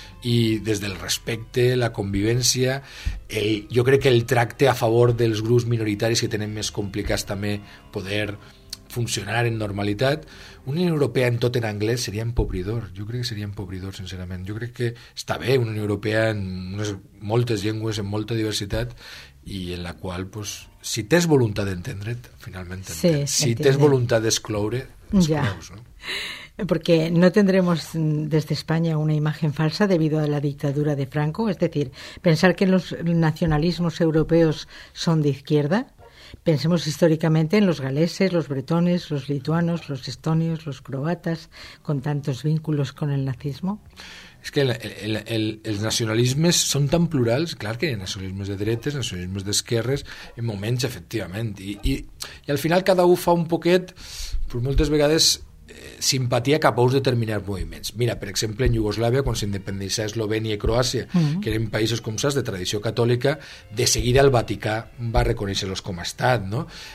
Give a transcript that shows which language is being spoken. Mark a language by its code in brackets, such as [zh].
[ca] I des del respecte, la convivència, jo crec que el tracte a favor dels grups minoritaris que tenen més complicats també poder funcionar en normalitat. Una Unió Europea en tot en anglès seria empobridor. Jo crec que seria empobridor, sincerament. Jo crec que està bé una Unió Europea en moltes llengües, en molta diversitat, i en la qual, pues, si tens voluntat d'entendre't, finalment t'entens. Sí, si tens voluntat d'excloure, excloure-us, no? [es] Porque no tendremos desde España una imagen falsa debido a la dictadura de Franco. Es decir, pensar que los nacionalismos europeos son de izquierda. Pensemos históricamente en los galeses, los bretones, los lituanos, los estonios, los croatas, con tantos vínculos con el nazismo. [ca] Es que els nacionalismes són tan plurals, clar que hi ha nacionalismes de dretes, nacionalismes d'esquerres, en moments, efectivament. I al final cada un fa un poquet, però moltes vegades simpatia cap a uns determinats moviments. Mira, per exemple, en Iugoslàvia, quan s'independitza Eslovènia i Croàcia, que eren països, com saps, de tradició catòlica, de seguida el Vaticà va reconèixer-los com a estat, no?